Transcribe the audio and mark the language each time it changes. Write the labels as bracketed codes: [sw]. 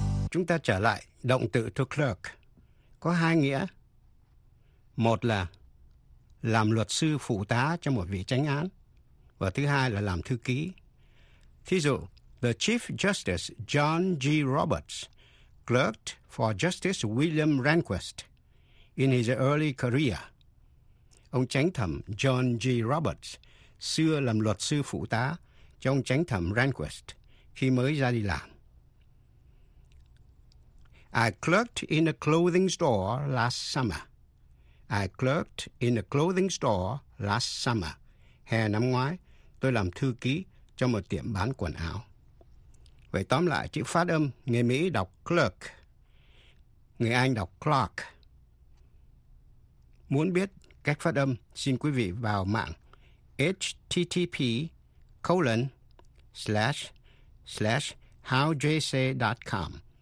[vi] Chúng ta trở lại động từ to clerk, có hai nghĩa. Một là làm luật sư phụ tá cho một vị chánh án, và thứ hai là làm thư ký. [en] Thí dụ, The Chief Justice John G. Roberts clerked for Justice William Rehnquist in his early career. [vi] Ông chánh thẩm John G. Roberts xưa làm luật sư phụ tá cho ông chánh thẩm Rehnquist khi mới ra đi làm. [en] I clerked in a clothing store last summer. I clerked in a clothing store last summer. [vi] Hè năm ngoái, tôi làm thư ký cho một tiệm bán quần áo. Vậy tóm lại, chữ phát âm, người Mỹ đọc clerk, người Anh đọc clerk. Muốn biết cách phát âm, xin quý vị vào mạng http://howjc.com.